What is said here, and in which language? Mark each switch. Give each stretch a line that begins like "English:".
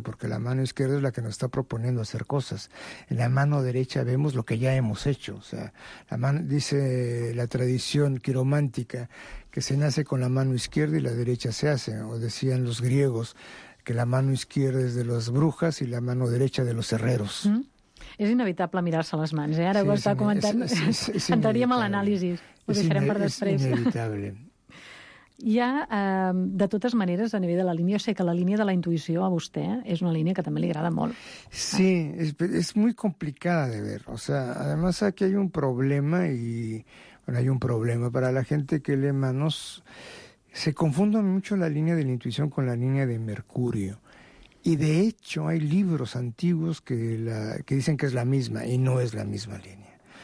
Spanish: Porque la mano izquierda es la que nos está proponiendo hacer cosas. En la mano derecha vemos lo que ya hemos hecho. O sea, dice la tradición quiromántica que se nace con la mano izquierda y la derecha se hace. O decían los griegos que la mano izquierda es de las brujas y la mano derecha de los herreros.
Catalan: És inevitable mirar-se les mans, eh? Ara sí, ho està comentant. Entraríem a l'anàlisi. Ho deixarem per després. És inevitable. Hi ha, de totes maneres, a nivell de la línia, jo sé que la línia de la intuïció a vostè és una línia que també li agrada molt. Sí, és molt complicada de veure.
Spanish: O sea, además aquí hay un problema y... Bueno, hay un problema para la gente que lee manos. Se confunde mucho la línea de la intuición con la línea de Mercurio. Y de hecho hay libros antiguos que dicen que es la misma y no es la misma línea.